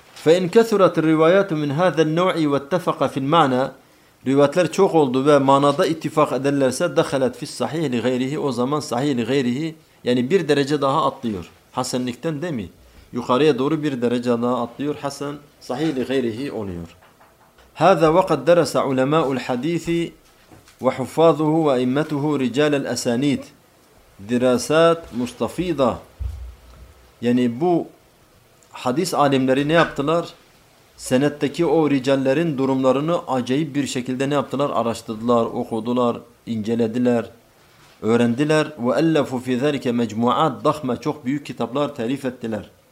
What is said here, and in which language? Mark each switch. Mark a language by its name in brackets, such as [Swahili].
[Arabic] فَاِنْ كَثُرَةِ الرِّوَيَاتُ مِنْ هَذَا النَّوْعِ وَاتَّفَقَ فِي الْمَعْنَى. [Turkish] Rivayetler çok oldu ve manada ittifak ederlerse [Arabic] دَخَلَتْ فِي الصَّحِيحِ لِغَيْرِهِ. [Turkish] O zaman sahih لِغَيْرِهِ yani bir derece daha atlıyor. Hasanlikten değil mi? Yukarıya doğru bir derece daha atlıyor. Hasan sahih لِغَيْرِهِ oluyor. [Arabic] هذا وقد درس علماء الحديث وحفاظه وأئمته رجال الأسانيد دراسات مستفيضة. [Turkish] Yani bu hadis alimleri ne yaptılar? Senetteki o ricallerin durumlarını acayip bir şekilde ne yaptılar? Araştırdılar, okudular, incelediler. öğrendiler ve [Arabic] ellefu fi zelike mecmuat dahme, [Turkish] çok büyük kitaplar telif ettiler.